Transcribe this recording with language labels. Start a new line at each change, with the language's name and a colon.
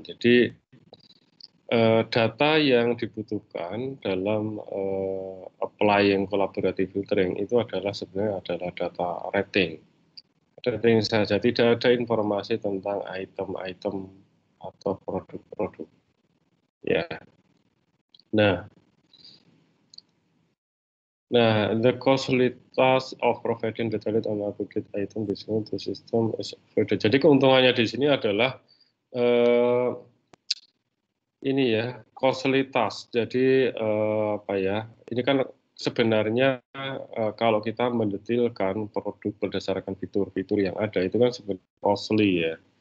Indonesian: Jadi data yang dibutuhkan dalam
English: applying collaborative filtering
Indonesian: itu adalah sebenarnya adalah data rating. Rating saja, tidak ada informasi tentang item-item atau produk-produk. Ya.
English: Nah, the costliness of providing detailed and appropriate item design to system is further.
Indonesian: Jadi keuntungannya di sini adalah ini ya, kosalitas. Jadi apa ya? Ini kan sebenarnya kalau kita mendetailkan produk berdasarkan fitur-fitur yang ada itu kan sebenarnya costly ya.